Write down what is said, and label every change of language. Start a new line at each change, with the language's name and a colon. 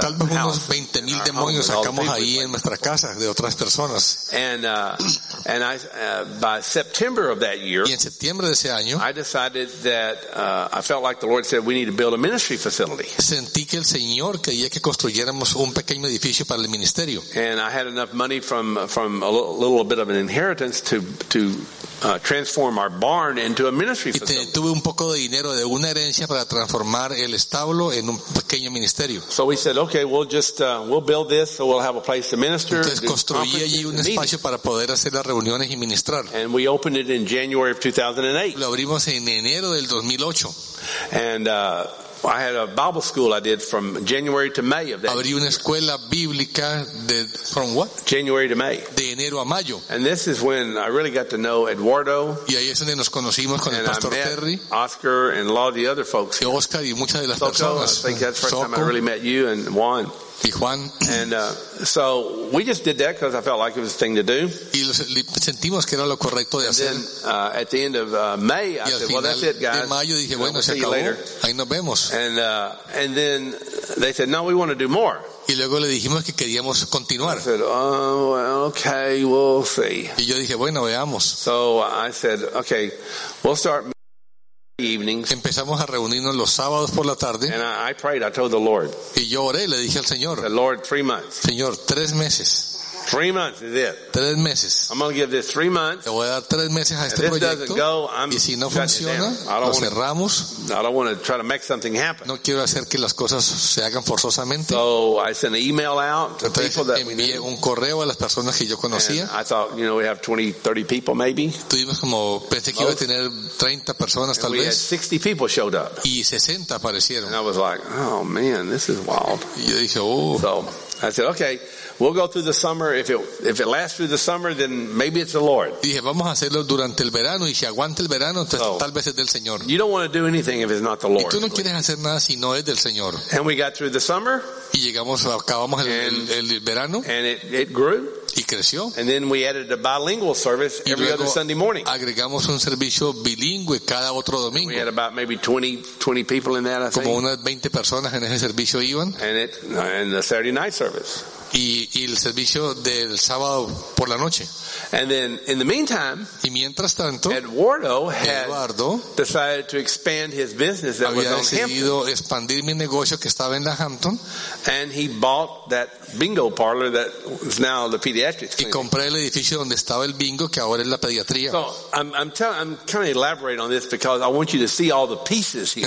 English: house.
Spanish: Tal vez unos 20,000 demonios sacamos ahí en nuestra casa de otras personas.
English: And by September of that year,
Spanish: y en septiembre de ese año,
English: I decided that I felt like the Lord said we need to build a ministry facility.
Spanish: Sentí que el Señor quería que construyéramos un pequeño edificio para el ministerio.
English: And I had enough money from a little bit of an inheritance to transform our barn into a ministry facility.
Spanish: Y tuve un poco de dinero de una herencia para transformar el establo en un pequeño ministerio.
English: So we said, okay, we'll build this, so we'll have a place to minister.
Spanish: Entonces construí allí un espacio para poder hacer las reuniones y ministrar.
English: And we opened it in January of 2008.
Spanish: Lo abrimos en enero del 2008.
English: I had a Bible school I did from January to May of that year.
Spanish: Abrí una escuela bíblica de,
English: from what? January to May.
Spanish: De enero a mayo.
English: And this is when I really got to know Eduardo.
Spanish: Y ahí es donde nos conocimos con el Pastor Terry.
English: Oscar and a lot of the other folks.
Spanish: Y Oscar y muchas de las personas.
English: I think that's the first time I really met you and Juan.
Spanish: Y Juan.
English: And so we just did that because I felt like it was a thing to do.
Spanish: Y sentimos que era lo correcto de hacer.
English: And then at the end of May, I said, "Well, that's it, guys."
Spanish: En mayo dije, bueno, se acabó. Ahí nos vemos.
English: And then they said, "No, we want to do more."
Spanish: Y luego le dijimos que queríamos continuar.
English: I said, oh, well, okay, we'll see.
Spanish: Y yo dije, bueno, veamos.
English: So I said, okay, we'll start evenings.
Spanish: Empezamos a reunirnos los sábados por la tarde.
English: And I prayed, I told the Lord.
Spanish: Y yo oré, le dije al Señor.
English: The Lord, 3 months.
Spanish: Señor, 3 meses.
English: 3 months is it?
Spanish: 3 meses.
English: I'm gonna give this 3 months.
Spanish: Le voy a dar 3 meses a este proyecto.
English: Go,
Spanish: y si no funciona, lo cerramos.
English: I don't want to try to make something happen.
Spanish: No quiero hacer que las cosas se hagan forzosamente.
English: So I sent an email out to
Spanish: entonces,
English: people that
Spanish: envié
English: we knew.
Spanish: Un correo a las personas que yo conocía.
English: And I thought, you know, we have 20-30 people maybe.
Spanish: Tuvimos como pensé que iba a tener 30 personas tal
English: and
Spanish: vez.
English: We had 60 people showed up.
Spanish: Y 60 aparecieron.
English: And I was like, oh man, this is wild.
Spanish: Y yo dije, oh.
English: So I said, okay. We'll go through the summer. If it lasts through the summer, then maybe it's the Lord.
Spanish: Dije, vamos a hacerlo durante el verano y si aguanta el verano, entonces, so, tal vez es del Señor.
English: You don't want to do anything if it's not the Lord.
Spanish: Y tú no quieres hacer nada si no es del Señor.
English: And we got through the summer.
Spanish: Y llegamos, acabamos el verano.
English: And it grew.
Spanish: Y creció.
English: And then we added a bilingual service every other Sunday morning.
Spanish: Agregamos un servicio bilingüe cada otro domingo.
English: And we had about maybe 20 people in that, I think.
Spanish: Como unas 20 personas en ese servicio iban.
English: And the Saturday night service.
Spanish: Y el servicio del sábado por la noche.
English: And then, in the meantime,
Spanish: y mientras tanto,
English: Eduardo decided to expand his business that
Spanish: había
English: was on
Spanish: decidido
English: Hampton.
Spanish: Expandir mi negocio que estaba en la Hampton.
English: And he bought that bingo parlor that is now the pediatrics clinic.
Spanish: Y compré el edificio donde estaba el bingo que ahora es la pediatría.
English: So I'm trying to elaborate on this because I want you to see all the pieces here.